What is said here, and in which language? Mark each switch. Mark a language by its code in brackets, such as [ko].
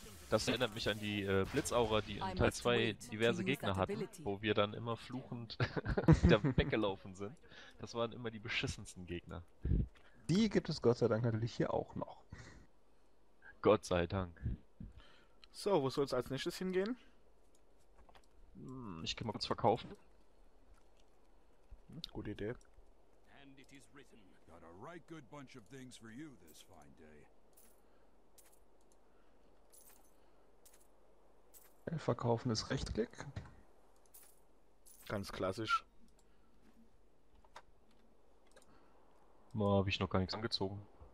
[de] Das erinnert mich an die Blitzaura, die in Teil 2 diverse Gegner hatten, wo wir dann immer fluchend wieder weggelaufen sind. Das waren immer die beschissensten Gegner. Die gibt es Gott sei Dank natürlich hier auch noch. Gott sei Dank. So, wo soll es als nächstes hingehen? Ich geh mal kurz verkaufen. Gute Idee. [en] And it is written. Got a right good bunch of things for you this fine day. [de] Verkaufen ist Rechtsklick. Ganz klassisch. Mal habe ich noch gar nichts angezogen.